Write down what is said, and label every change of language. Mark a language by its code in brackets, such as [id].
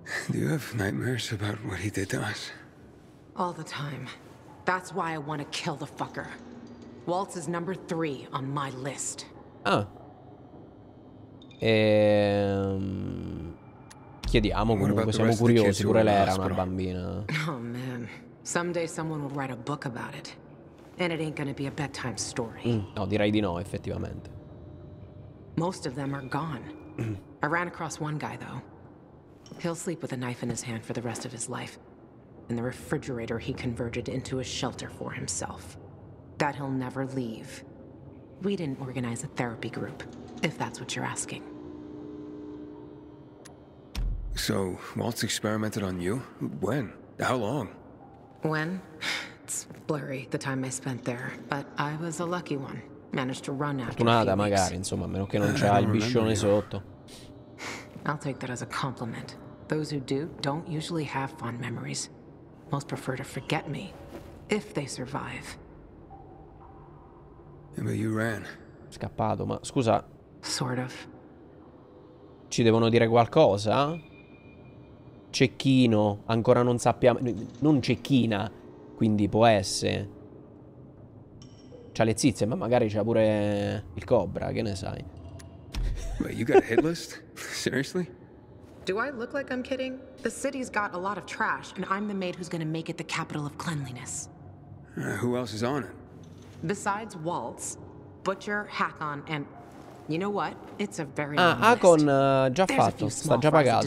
[en] Do you have nightmares about what he did to us? All the time. That's why I want to kill the fucker. Waltz is number three on my list. Ah. [it] Chiediamo comunque, siamo curiosi, pure lei era una bambina. [en] Oh man. Someday someone will write a book about it. And it ain't gonna be a bedtime story. [it] No, direi di no, effettivamente. [en] Most of them are gone. I ran across one guy though. He'll sleep with a knife in his hand for the rest of his life. And the refrigerator he converted into a shelter for himself. That he'll never leave. We didn't organize a therapy group, if that's what you're asking. So, Waltz experimented on you? When? How long? When? It's blurry, the time I spent there, but I was a lucky one. Managed to run after him. [it] Fortunata, magari, insomma, a meno che non c'ha il biscione sotto. [en] I'll take that as a compliment. Those who do don't usually have fond memories. Most prefer to forget me, if they survive. But you ran. [it] Scappato, ma scusa. [en] Sort of. [it] Ci devono dire qualcosa? Cecchino, ancora non sappiamo. Non cecchina, quindi può essere. C'ha le zizze, ma magari c'ha pure il cobra, che ne sai. [en] Wait, you got a hit list? Seriously? Do I look like I'm kidding? The city's got a lot of trash, and I'm the maid who's gonna make it the capital of cleanliness. Who else is on it? Besides Waltz, Butcher, Hakon, and... You know what? It's a very [it] Hakon già fatto, sta già pagato.